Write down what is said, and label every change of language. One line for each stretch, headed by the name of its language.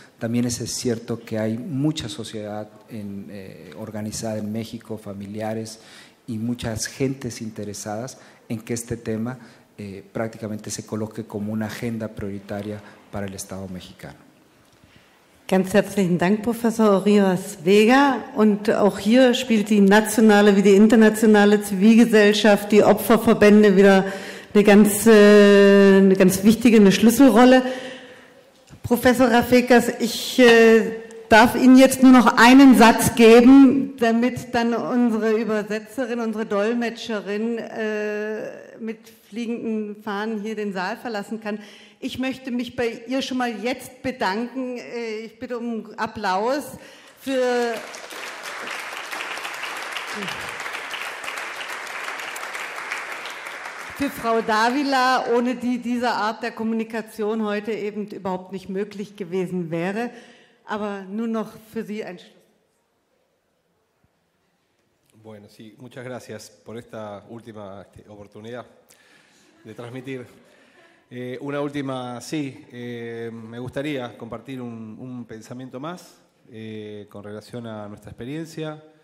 Spanish: También es cierto que hay mucha sociedad organizada en México, familiares y muchas gentes interesadas en que este tema prácticamente se coloque como una agenda prioritaria para el Estado mexicano.
German: Ganz herzlichen Dank, Professor Rivas Vega. Und auch hier spielt die nationale wie die internationale Zivilgesellschaft, die Opferverbände wieder eine ganz wichtige, eine Schlüsselrolle. Professor Rafekas, ich darf Ihnen jetzt nur noch einen Satz geben, damit dann unsere Übersetzerin, unsere Dolmetscherin mit fliegenden Fahnen hier den Saal verlassen kann. Ich möchte mich bei ihr schon mal jetzt bedanken. Ich bitte um Applaus für Frau Davila, ohne die diese Art der Kommunikation heute eben überhaupt nicht möglich gewesen wäre. Aber nur noch für Sie ein Schluss.
Spanish: Bueno, sí, muchas gracias por esta última oportunidad de transmitir. Una última, sí, me gustaría compartir un pensamiento más con relación a nuestra experiencia.